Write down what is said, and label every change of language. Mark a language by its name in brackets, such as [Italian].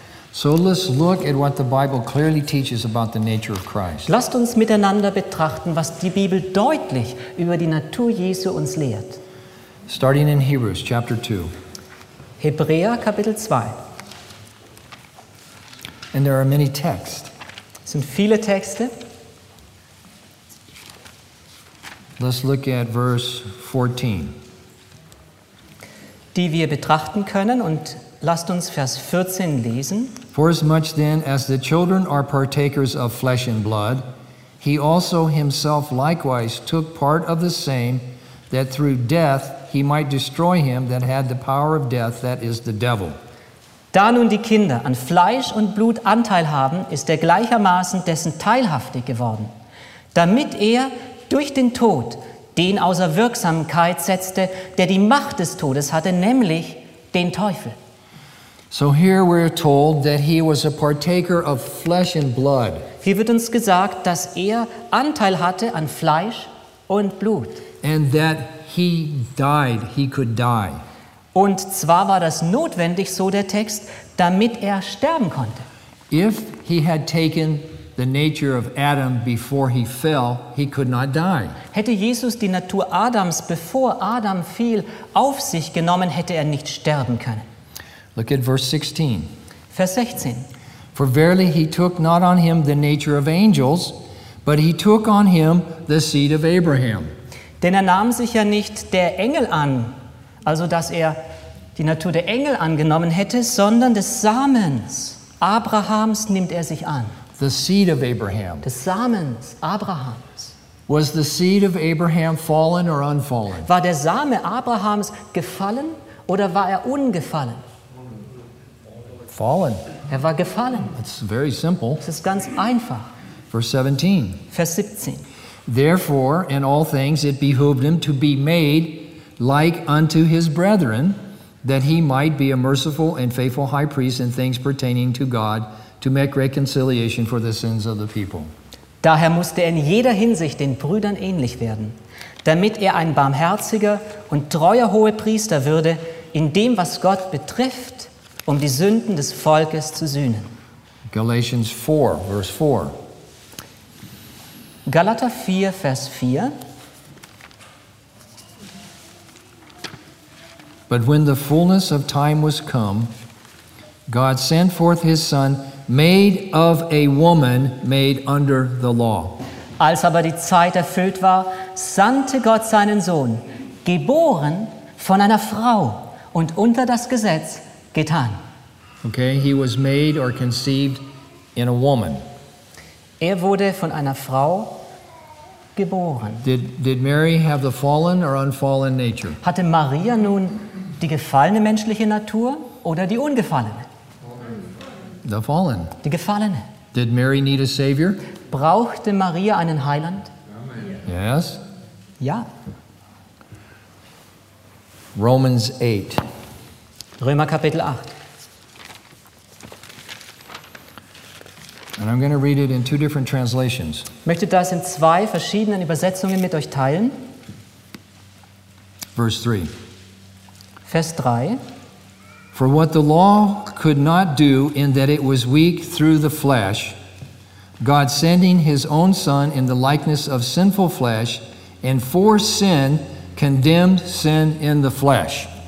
[English] So let's look at what the Bible clearly teaches about the nature of Christ. [German] Lasst uns miteinander betrachten, was die Bibel deutlich über die Natur Jesu uns lehrt. [English] Starting in Hebrews chapter 2. [German] Hebräer Kapitel 2. [English] And there are many texts. [German] Es sind viele Texte. [English] Let's look at verse 14. [German] Die wir betrachten können, und lasst uns Vers 14 lesen. [English] Forasmuch then as the children are partakers of flesh and blood, he also himself likewise took part of the same, that through death he might destroy him that had the power of death, that is the devil. [German] Da nun die Kinder an Fleisch und Blut Anteil haben, ist er gleichermaßen dessen teilhaftig geworden, damit er durch den Tod den außer Wirksamkeit setzte, der die Macht des Todes hatte, nämlich den Teufel. [English] So here we're told that he was a partaker of flesh and blood. [German] Hier wird uns gesagt, dass er Anteil hatte an Fleisch und Blut. [English] And that he died, he could die. [German] Und zwar war das notwendig, so der Text, damit er sterben konnte. [English] If he had taken the nature of Adam before he fell, he could not die. [German] Hätte Jesus die Natur Adams, bevor Adam fiel, auf sich genommen, hätte er nicht sterben können. [English] Look at verse 16. [German] Vers 16. [English] For verily he took not on him the nature of angels, but he took on him the seed of Abraham. [German] Denn er nahm sich ja nicht der Engel an, also dass er die Natur der Engel angenommen hätte, sondern des Samens Abrahams nimmt er sich an. [English] The seed of Abraham. [German] Des Samens Abrahams. [English] Was the seed of Abraham fallen or unfallen? [German] War der Same Abrahams gefallen oder war er ungefallen? [English] Fallen. [German] Er war gefallen. [English] It's very simple. [German] Es ist ganz einfach. [English] Verse 17. [German] Vers 17. [English] Therefore, in all things, it behooved him to be made like unto his brethren, that he might be a merciful and faithful high priest in things pertaining to God, to make reconciliation for the sins of the people. [German] Daher musste er in jeder Hinsicht den Brüdern ähnlich werden, damit er ein barmherziger und treuer Hohepriester würde in dem, was Gott betrifft, um die Sünden des Volkes zu sühnen. [English] Galatians 4, verse 4. [German] Galater 4, Vers 4. [English] But when the fullness of time was come, God sent forth his Son, made of a woman, made under the law. [German] Als aber die Zeit erfüllt war, sandte Gott seinen Sohn, geboren von einer Frau und unter das Gesetz getan. [English] Okay, he was made or conceived in a woman. [German] Er wurde von einer Frau geboren. [English] Did Mary have the fallen or unfallen nature? [German] Hatte Maria nun die gefallene menschliche Natur oder die ungefallene? [English] The fallen. [German] Die gefallene. [English] Did Mary need a savior? [German] Brauchte Maria einen Heiland? [English] Amen. Yes. [German] Ja. [English] Romans 8. [German] Römer Kapitel 8. [English] And I'm going to read it in two different translations. [German] Möchte das in zwei verschiedenen Übersetzungen mit euch teilen. [English] Verse 3. [German] Vers 3. [English] For what the law could not do in that it was weak through the flesh, God sending his own Son in the likeness of sinful flesh, and for sin condemned sin in the flesh.